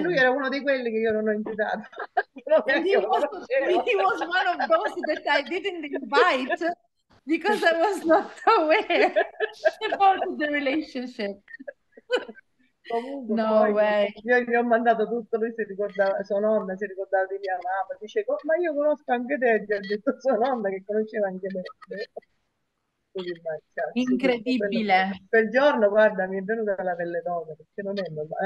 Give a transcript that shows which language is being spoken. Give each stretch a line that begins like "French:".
Italian: E lui era uno di quelli che io non ho invitato.
English: he was one of those that I didn't invite. Because I was not aware about the relationship.
Italian: Comunque,
English: no
Italian: poi,
English: way.
Italian: Io gli ho mandato tutto, lui si ricordava, sua nonna si ricordava di mia mamma. Dice, ma io conosco anche te, gli ha detto sua nonna che conosceva anche me. Incredibile. Quel giorno, guarda, mi è venuta la pelle d'oca, perché non è normale.